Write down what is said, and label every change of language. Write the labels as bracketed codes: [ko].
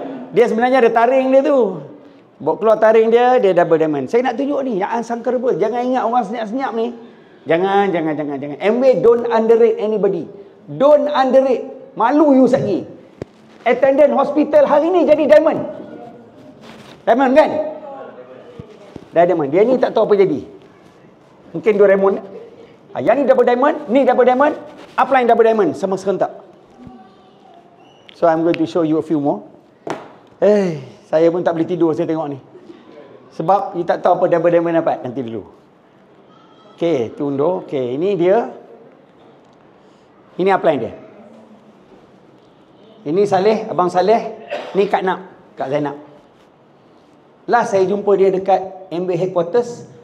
[ms] Dia sebenarnya ada taring dia tu. Bawa keluar taring dia, dia double diamond. Saya nak tunjuk ni. Yang Sankarabal. Jangan ingat orang senyap-senyap ni. Jangan. [en] Amway, don't underrate anybody. Don't underrate. [ms] Malu you sekali. Attendant hospital hari ni jadi diamond. Diamond kan? Dah diamond. Dia ni tak tahu apa jadi. Mungkin Doraemon. Yang ni double diamond. Ni double diamond. Upline double diamond. Sama serentak. [en] So I'm going to show you a few more. [ms] Saya pun tak boleh tidur saya tengok ni. Sebab you tak tahu apa double diamond dapat. Nanti dulu. Okay, tunduk. Okay, ini dia. Ini upline dia. Ini Saleh, Abang Saleh. Ni Kak Nak, Kak Zainab. Last saya jumpa dia dekat MB Headquarters.